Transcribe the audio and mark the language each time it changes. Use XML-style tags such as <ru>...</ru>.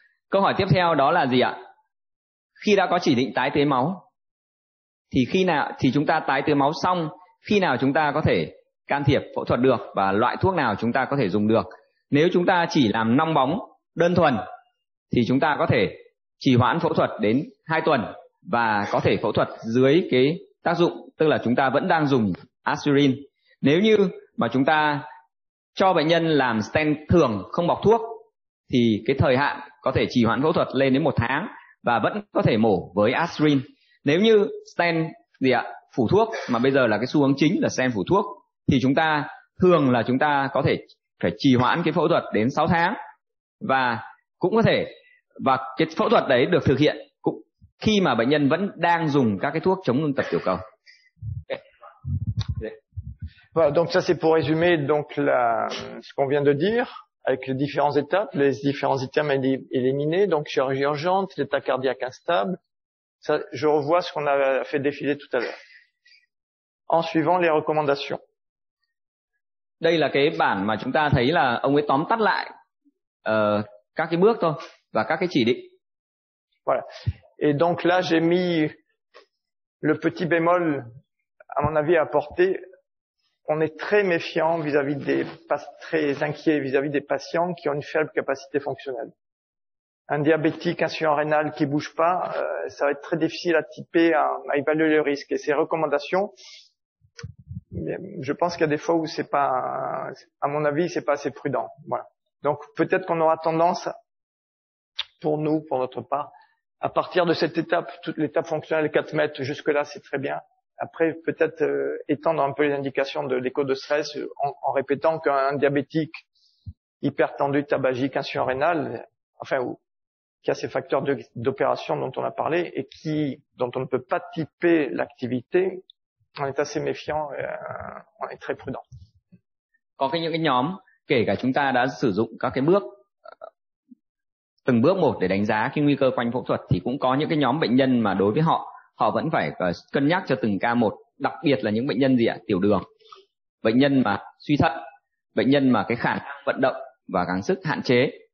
<vi>Câu hỏi tiếp theo đó là gì ạ? Khi đã có chỉ định tái tưới máu, thì khi nào thì chúng ta tái tưới máu xong, khi nào chúng ta có thể can thiệp phẫu thuật được và loại thuốc nào chúng ta có thể dùng được? Nếu chúng ta chỉ làm nong bóng đơn thuần thì chúng ta có thể trì hoãn phẫu thuật đến 2 tuần và có thể phẫu thuật dưới cái tác dụng, tức là chúng ta vẫn đang dùng aspirin. Nếu như mà chúng ta cho bệnh nhân làm stent thường không bọc thuốc thì cái thời hạn có thể trì hoãn phẫu thuật lên đến 1 tháng và vẫn có thể mổ với aspirin. Nếu như stent gì ạ, phủ thuốc, mà bây giờ là cái xu hướng chính là stent phủ thuốc, thì chúng ta thường là chúng ta có thể phải trì hoãn cái phẫu thuật đến 6 tháng và cũng có thể, và cái phẫu thuật đấy được thực hiện cũng khi mà bệnh nhân vẫn đang dùng các cái thuốc chống ngưng tập tiểu cầu. Okay.</vi> <fr>Voilà, donc ça c'est pour résumer donc ce qu'on vient de dire avec les différentes étapes, les différents items éliminés, donc chirurgie urgente, l'état cardiaque instable. Ça, je revois ce qu'on a fait défiler tout à l'heure. En suivant les recommandations.</fr> <vi>Đây là cái bản mà chúng ta thấy là ông ấy tóm tắt lại các cái bước thôi và các cái chỉ định.</vi> <fr>Voilà. Et donc là j'ai mis le petit bémol à mon avis, à apporter. On est très méfiant vis-à-vis des, pas très inquiet vis-à-vis des patients qui ont une faible capacité fonctionnelle. Un diabétique, un insuffisant rénal qui bouge pas, ça va être très difficile à typer, à évaluer le risque. Et ces recommandations, je pense qu'il y a des fois où c'est pas, à mon avis, c'est pas assez prudent. Voilà. Donc peut-être qu'on aura tendance, pour nous, pour notre part, à partir de cette étape, toute l'étape fonctionnelle 4 mètres, jusque là c'est très bien. Après, peut-être étendre un peu les indications de l'écho de stress en répétant qu'un diabétique hypertendu, tabagique, insuffisant rénal, enfin, qui a ces facteurs d'opération dont on a parlé et dont on ne peut pas typer l'activité, on est assez méfiant et on est très prudent.</fr> <vi>Có những cái nhóm, kể cả chúng ta đã sử dụng các cái bước, từng bước một để đánh giá cái nguy cơ quanh phẫu thuật, thì cũng có những cái nhóm bệnh nhân mà đối với họ, họ vẫn phải cân nhắc cho từng ca một, đặc biệt là những bệnh nhân gì ạ? Tiểu đường, bệnh nhân mà suy thận, bệnh nhân mà cái khả năng vận động và gắng sức hạn chế.</vi>